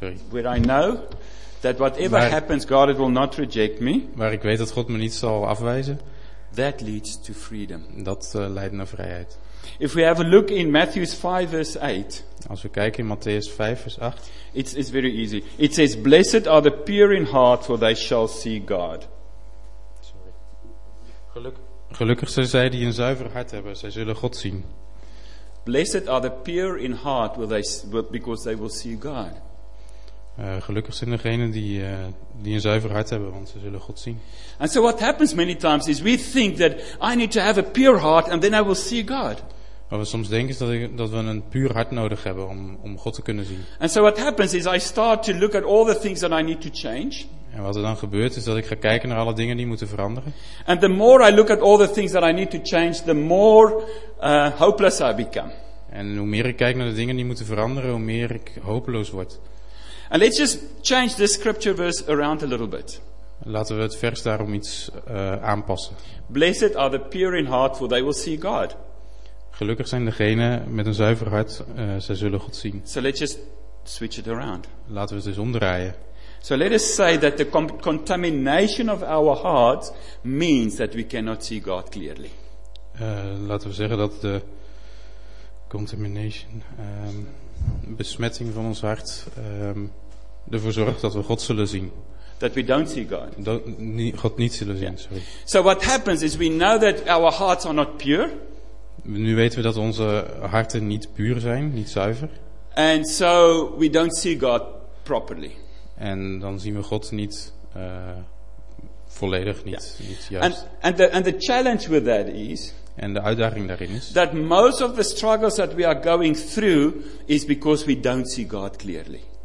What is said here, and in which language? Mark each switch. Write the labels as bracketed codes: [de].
[en] where I know that whatever happens, God will not reject me. [nl] Waar ik weet dat God me niet zal afwijzen. [en] That leads to freedom. [nl] Dat leidt naar vrijheid. [en] If we have a look in Matthew 5 verse 8. [nl] Als we kijken in Matthäus 5 vers 8. [en] It's very easy. It says, "Blessed are the pure in heart, for they shall see God." [nl] Gelukkig zijn zij die een zuiver hart hebben, zij zullen God zien. [en] Blessed are the pure in heart, because they will see God. [nl] Gelukkig zijn degenen die een zuiver hart hebben, want ze zullen God zien. [en] And so what happens many times is we think that I need to have a pure heart and then I will see God. [nl] Wat we soms denken is dat we een puur hart nodig hebben om God te kunnen zien. [en] And so what happens is I start to look at all the things that I need to change. [nl] En wat er dan gebeurt is dat ik ga kijken naar alle dingen die moeten veranderen. [en] And the more I look at all the things that I need to change, the more hopeless I become. [nl] En hoe meer ik kijk naar de dingen die moeten veranderen, hoe meer ik hopeloos word. [en] And let's just change this scripture verse around a little bit. [nl] Laten we het vers daarom iets aanpassen. [en] Blessed are the pure in heart, for they will see God. [nl] Gelukkig zijn degenen met een zuiver hart, zij zullen God zien. [en] So let's just switch it around. [nl] Laten we het dus omdraaien. [en] So let us say that the contamination of our hearts means that we cannot see God clearly. [nl] Laten we zeggen dat de contamination, besmetting van ons hart, ervoor zorgt dat we God zullen zien. [en] That we don't see God. [nl] God niet zullen zien, sorry. [en] So what happens is we know that our hearts are not pure. [nl] Nu weten we dat onze harten niet puur zijn, niet zuiver. [en] And so we don't see God properly. [nl] En dan zien we God niet volledig, niet, yeah, niet juist. [en] And the challenge with that is. [nl] En de uitdaging daarin is. [en] That most of the struggles that we are going through is because we don't see God clearly.